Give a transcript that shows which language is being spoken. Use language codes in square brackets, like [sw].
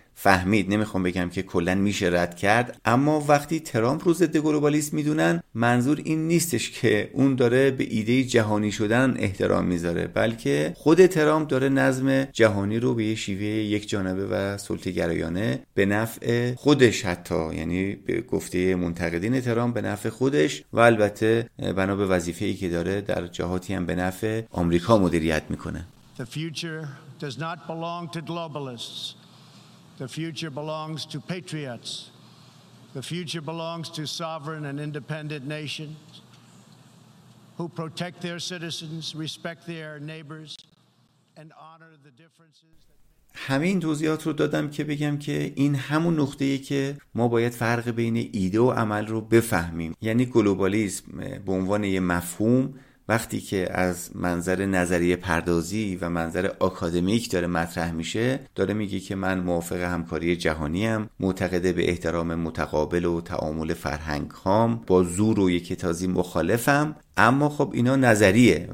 [fa] فهمید، نمیخوام بگم که کلا میشه رد کرد، اما وقتی ترامپ رو ضد گلوبالیسم میدونن منظور این نیستش که اون داره به ایده جهانی شدن احترام میذاره، بلکه خود ترامپ داره نظم جهانی رو به یه شیوه یک جانبه و سلطه گرایانه به نفع خودش، حتی یعنی به گفته منتقدین ترامپ به نفع خودش و البته بنا به وظیفه‌ای که داره در جهاتی هم به نفع آمریکا مدیریت میکنه. [en] The future does not belong to globalists. The future belongs to patriots. The future belongs to sovereign and independent nations who protect their citizens, respect their neighbors, and honor the differences. [fa] همه این توضیحات رو دادم که بگم که این همون نقطه‌ایه که ما باید فرق بین ایده و عمل رو بفهمیم. یعنی گلوبالیسم به عنوان یه مفهوم وقتی که از منظر نظریه پردازی و منظر آکادمیک داره مطرح میشه، داره میگه که من موافق همکاری جهانیم، معتقده به احترام متقابل و تعامل فرهنگ‌هام، با زور و یکتازی مخالفم، اما خب اینا نظریه.